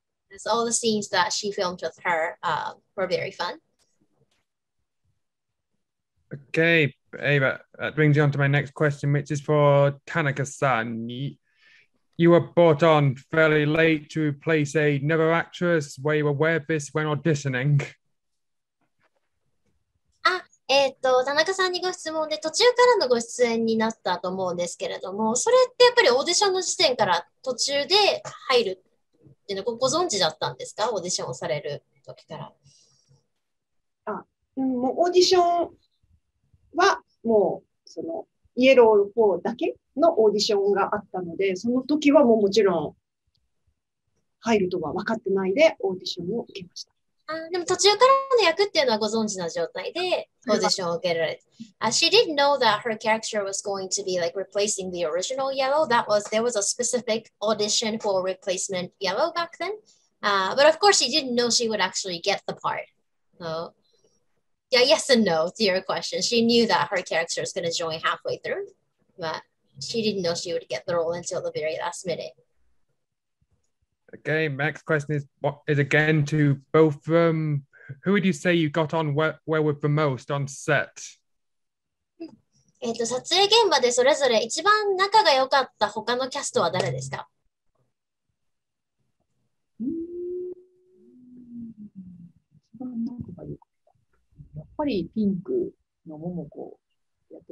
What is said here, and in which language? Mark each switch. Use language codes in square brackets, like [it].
[en] It's all the scenes that she filmed with her were very fun. Okay, Ava, that brings you on to my next question, which is for Tanaka-san. You were brought on fairly late to replace another actress. Were you aware of this when auditioning? [ja] Tanaka-san にご質問で途中からのご出演になったと思うんですけれども、それってやっぱりオーディションの時点から途中で入るっていうのをご存知だったんですか？オーディションをされる時から。もうオーディションはもうそのイエロー4だけのオーディションがあったので、その時はもうもちろん入るとは分かってないでオーディションを受けました。でも途中からの役っていうのはご存知の状態でオーディションを受けられた。 [en] She didn't know that her character was going to be like replacing the original yellow. That was, there was a specific audition for replacement yellow back then. But of course she didn't know she would actually get the part. So,Yeah, yes and no to your question. She knew that her character was going to join halfway through, but she didn't know she would get the role until the very last minute. Okay, next question is again to both of them. Who would you say you got on well with the most on set? [ja] 撮影現場でそれぞれ一番仲が良かった他のキャストは誰ですか？やっぱりピンクのモモコやって